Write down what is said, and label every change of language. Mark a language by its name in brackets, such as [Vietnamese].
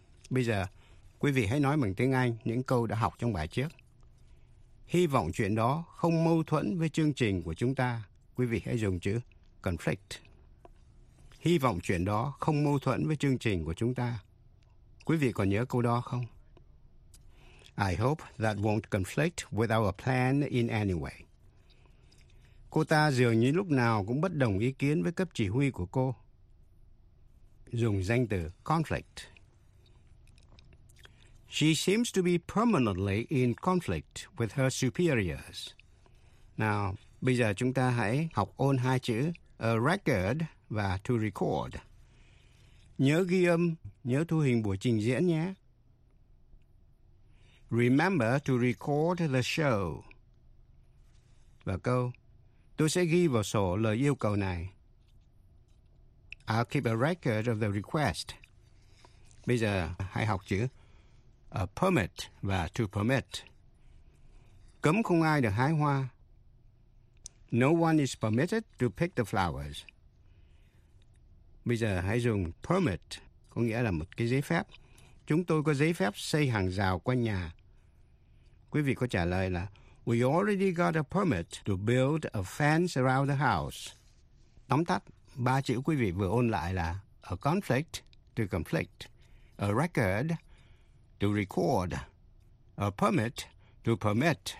[Vietnamese] Bây giờ, quý vị hãy nói bằng tiếng Anh những câu đã học trong bài trước. Hy vọng chuyện đó không mâu thuẫn với chương trình của chúng ta. Quý vị hãy dùng chữ conflict. Hy vọng chuyện đó không mâu thuẫn với chương trình của chúng ta. Quý vị còn nhớ câu đó không? [English] I hope that won't conflict with our plan in any way. [Vietnamese] Cô ta dường như lúc nào cũng bất đồng ý kiến với cấp chỉ huy của cô. Dùng danh từ conflict. [English] She seems to be permanently in conflict with her superiors. [Vietnamese] Nào, bây giờ chúng ta hãy học ôn hai chữ a record và to record. Nhớ ghi âm, nhớ thu hình buổi trình diễn nhé. [English] Remember to record the show. [Vietnamese] và câu "Tôi sẽ ghi vào sổ lời yêu cầu này." [English] I'll keep a record of the request. [Vietnamese] Bây giờ hãy học chữ [English] a permit và to permit. [Vietnamese] Cấm không ai được hái hoa. [English] No one is permitted to pick the flowers. [Vietnamese] Bây giờ hãy dùng permit, có nghĩa là một cái giấy phép. Chúng tôi có giấy phép xây hàng rào quanh nhà. Quý vị có trả lời là [English] we already got a permit to build a fence around the house. [Vietnamese] Tóm tắt, ba chữ quý vị vừa ôn lại là [English] a conflict to conflict, a record to record, a permit to permit.